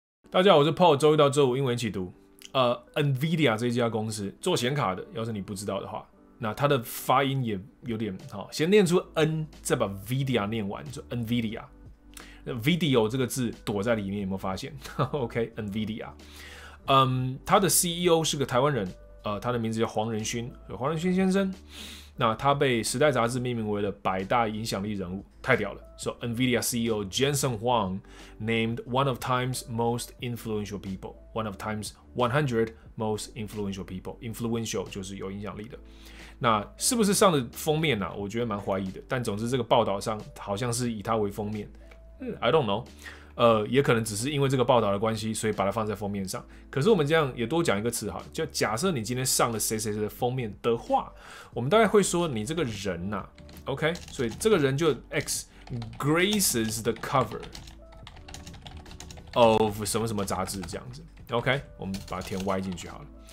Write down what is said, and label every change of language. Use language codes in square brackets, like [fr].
[zh] 大家好，我是 Paul， 周一到周五英文一起读。NVIDIA 这家公司做显卡的，要是你不知道的话，那它的发音也有点好，先念出 N， 再把 Vidia 念完，就 NVIDIA。 Video 这个字躲在里面，有没有发现？OK，NVIDIA。他的 CEO 是个台湾人，他的名字叫黄仁勋，黄仁勋先生。那他被《时代》杂志命名为了百大影响力人物，太屌了。 [en] So NVIDIA CEO Jensen Huang named one of Time's most influential people, one of Time's 100 most influential people. [zh] Influential 就是有影响力的。那是不是上的封面呢、啊？我觉得蛮怀疑的。但总之这个报道上好像是以他为封面。 [en] I don't know， [zh] 也可能只是因为这个报道的关系，所以把它放在封面上。可是我们这样也多讲一个词哈，就假设你今天上了谁谁谁的封面的话，我们大概会说你这个人呐、啊、，OK， 所以这个人就 [en] X graces the cover of [zh] 什么什么杂志这样子 ，OK， 我们把它填 Y 进去好了。